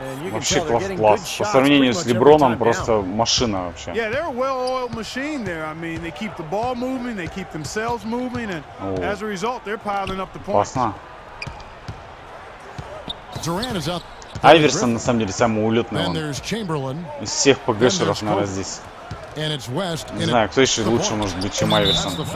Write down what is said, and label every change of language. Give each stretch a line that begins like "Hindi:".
Russian: Вообще класс. По сравнению с Леброном, просто машина вообще.
English: Yeah, they're a well-oiled machine there. I mean, they keep the ball moving, they keep themselves moving, and as a result, they're piling up the points.
Russian: Классно. Айверсон, на самом деле, самый улетный он. Из всех ПГшеров, наверное, здесь. Не знаю, кто еще лучше может быть, чем Айверсон.